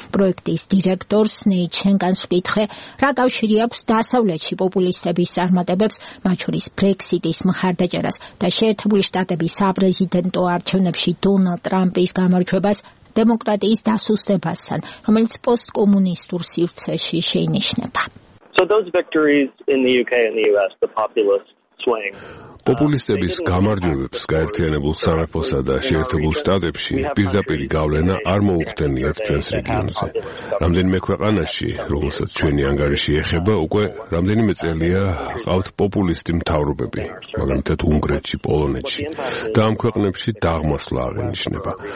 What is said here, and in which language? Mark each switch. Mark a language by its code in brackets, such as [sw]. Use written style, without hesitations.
[ka] პროექტის დირექტორს ნეით ჩენკანს ვკითხე, რა კავშირი აქვს დასავლეთში პოპულისტების წარმატებებს, მათ შორის ბრექსიტის მხარდაჭერას და შეერთებული შტატების საპრეზიდენტო არჩევნებში დონალდ ტრამპის გამარჯვებას დემოკრატიის დასუსტებასთან, რომელიც პოსტკომუნისტურ სივრცეში შეინიშნება. [en] So those victories in the UK and the US, the populist swing. [ka] Populistების გამარჯვებებს გაერთიანებულ სამეფოსა და შეერთებულ შტატებში პირდაპირი გავლენა არ მოუხდენიათ ჩვენს რეგიონზე. რამდენიმე ქვეყანაში, როგორცაც ჩვენი ანგარიში ეხება, უკვე რამდენიმე წელია ყავთ პოპულისტი მთავრობები, მაგალითად უნგრეთში, პოლონეთში და ამ ქვეყნებში დაღმასვლა აღინიშნება.